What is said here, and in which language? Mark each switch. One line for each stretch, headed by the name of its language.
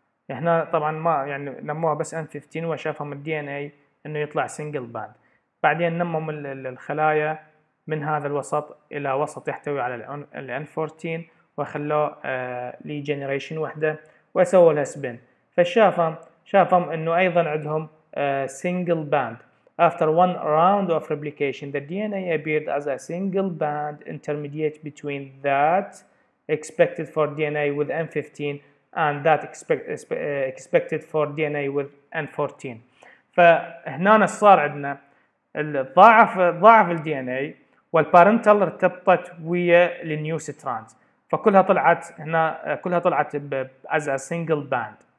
Arabic: هنا طبعا ما يعني نموها بس ان 15 وشافهم الدي ان اي انه يطلع سنجل باند. بعدين نمم الخلايا من هذا الوسط الى وسط يحتوي على الان 14 وخلوه لي جينيريشن وحده وسووا له سبين، فشافهم انه ايضا عندهم سنجل باند.
English: After one round of replication the DNA appeared as a single band intermediate between that expected for DNA with N15 and that expected for DNA with N14.
Arabic: فهنا صار عندنا الضاعف الدي ان اي والبارنتال ارتبطت ويا النيو سترانز، فكلها طلعت هنا كلها طلعت
English: As a single band.